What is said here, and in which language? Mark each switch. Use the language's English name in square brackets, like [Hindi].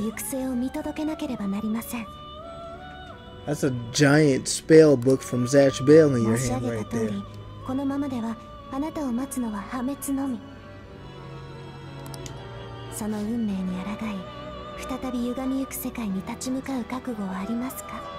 [Japanese] あなたが再び運命の囚われとなったこと。何者かが作動し、あなたを厄災に満ちた運命と誘おうとしている。その邪悪な意志を前に、あなたの内なる声が叫んでいます。オッケー。抗え。と。我が名はラベンツァ。力を司る者として、あなたの行く末を見届けなければなりません。 [English] That's a giant spell book from Zatch Bell in your hand right there. [Japanese] このままでは、あなたを待つのは破滅のみ。その運命に抗い、再び歪みゆく世界に立ち向かう覚悟はありますか?